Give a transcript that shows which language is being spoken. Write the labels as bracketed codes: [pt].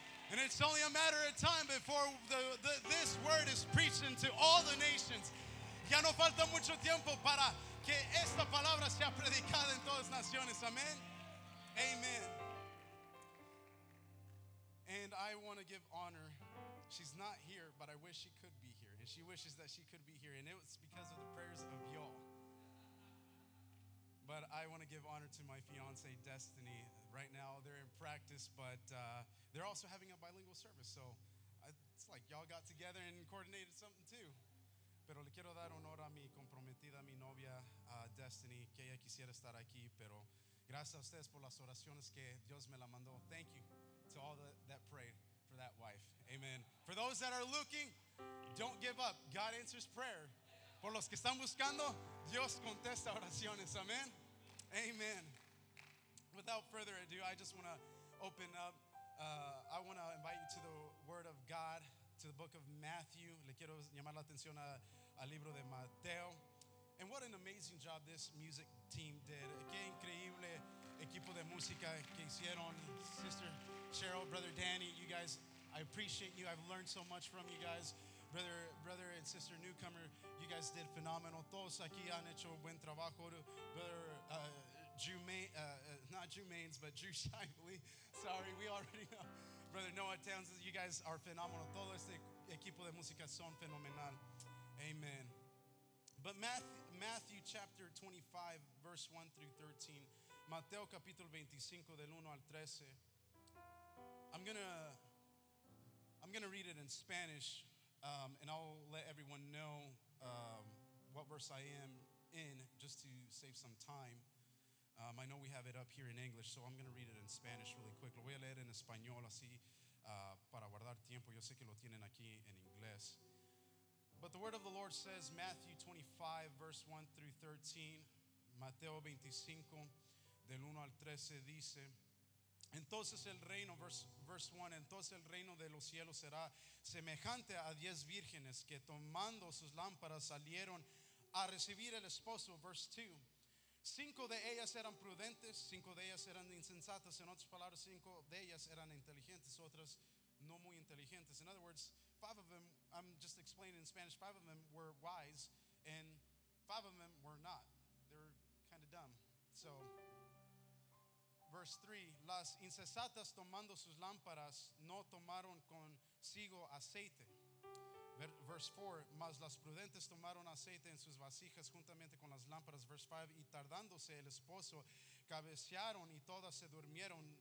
[en] And it's only a matter of time before this word is preaching to all the nations. [es] Ya no falta mucho tiempo para que esta palabra sea predicada en todas las naciones. [en] Amen. Amen. And I want to give honor. She's not here, but I wish she could be here. And she wishes that she could be here. And it was because of the prayers of y'all. But I want to give honor to my fiance, Destiny. Right now, they're in practice, but they're also having a bilingual service. So it's like y'all got together and coordinated something too. [es] Pero le quiero dar honor a mi comprometida, mi novia, Destiny, que ella quisiera estar aquí. Pero gracias a ustedes por las oraciones que Dios me la mandó. [en] Thank you to all that prayed for that wife. Amen. For those that are looking, don't give up. God answers prayer. [es] Por los que están buscando, Dios contesta oraciones. [en] Amen. Amen. Without further ado, I just want to open up. I want to invite you to the Word of God, to the book of Matthew. [es] Le quiero llamar la atención al libro de Mateo. [en] And what an amazing job this music team did. [es] Qué increíble equipo de música que hicieron. [en] Sister Cheryl, Brother Danny, you guys, I appreciate you. I've learned so much from you guys. Brother and sister newcomer, you guys did phenomenal. [es] Todos aquí han hecho buen trabajo. [en] Brother Drew Shively. Sorry, we already know. Brother Noah Townsend, you guys are phenomenal. [es] Todo este equipo de música son fenomenal. [en] Amen. But Matthew chapter 25, verse 1 through 13. [es] Mateo capítulo 25, del 1 al 13. [en] I'm gonna read it in Spanish. And I'll let everyone know what verse I am in, just to save some time. I know we have it up here in English, so I'm going to read it in Spanish really quick. [es] Lo voy a leer en español, así, para guardar tiempo. Yo sé que lo tienen aquí en inglés. [en] But the word of the Lord says, Matthew 25, verse 1 through 13. [es] Mateo 25, del 1 al 13, dice... Entonces el reino, [en] verse 1, [es] entonces el reino de los cielos será semejante a 10 vírgenes que tomando sus lámparas salieron a recibir el esposo, [en] verse 2. [es] 5 de ellas eran prudentes, 5 de ellas eran insensatas. En otras palabras, 5 de ellas eran inteligentes, otras no muy inteligentes. [en] In other words, 5 of them, I'm just explaining in Spanish, 5 of them were wise and 5 of them were not. They were kind of dumb, so... Verse 3, [es] las insensatas tomando sus lámparas no tomaron consigo aceite. [en] Verse 4, [es] mas las prudentes tomaron aceite en sus vasijas juntamente con las lámparas. [en] Verse 5, [es] y tardándose el esposo cabecearon y todas se durmieron.